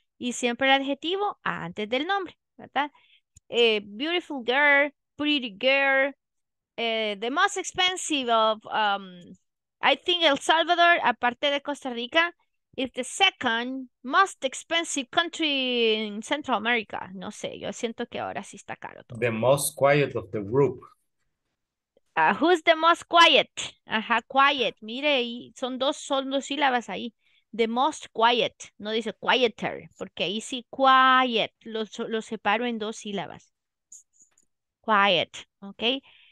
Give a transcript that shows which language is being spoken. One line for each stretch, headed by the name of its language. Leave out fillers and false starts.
Spanish: Y siempre el adjetivo antes del nombre, ¿verdad?
English: Beautiful girl, pretty girl, the most expensive of, I think El Salvador,
Spanish: aparte de Costa Rica,
English: it's the second most expensive country in Central America.
Spanish: No sé, yo siento que ahora sí está caro todo.
English: The most quiet of the group. Who's the most quiet?
Spanish: Ajá, quiet. Mire, son dos sílabas ahí.
English: The most quiet.
Spanish: No dice quieter, porque ahí sí, quiet. Lo separo en dos sílabas. Quiet, ¿ok?